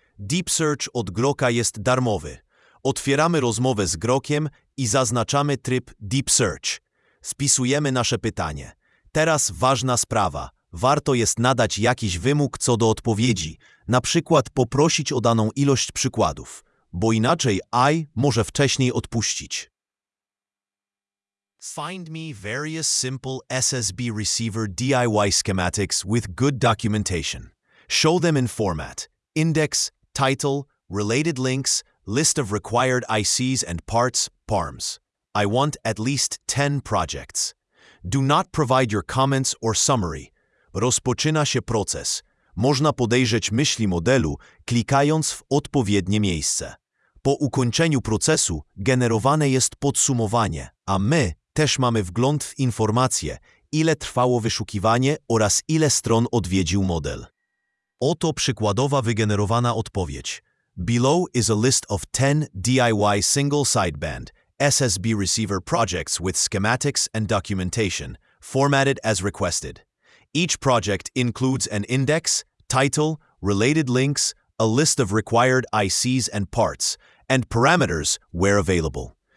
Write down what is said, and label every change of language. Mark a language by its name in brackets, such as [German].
[Polish] Deep Search od Groka jest darmowy. Otwieramy rozmowę z Grokiem i zaznaczamy tryb Deep Search. Spisujemy nasze pytanie. Teraz ważna sprawa. Warto jest nadać jakiś wymóg co do odpowiedzi, na przykład poprosić o daną ilość przykładów, bo inaczej AI może wcześniej odpuścić. [English] Find me various simple SSB receiver DIY schematics with good documentation. Show them in format, index, title, related links, list of required ICs and parts, PARMs. I want at least 10 projects. Do not provide your comments or summary. [Polish] Rozpoczyna się proces. Można podejrzeć myśli modelu, klikając w odpowiednie miejsce. Po ukończeniu procesu generowane jest podsumowanie, a my też mamy wgląd w informacje, ile trwało wyszukiwanie oraz ile stron odwiedził model. Oto przykładowa wygenerowana odpowiedź. [English] Below is a list of 10 DIY single sideband SSB receiver projects with schematics and documentation, formatted as requested. Each project includes an index, title, related links, a list of required ICs and parts, and parameters where available.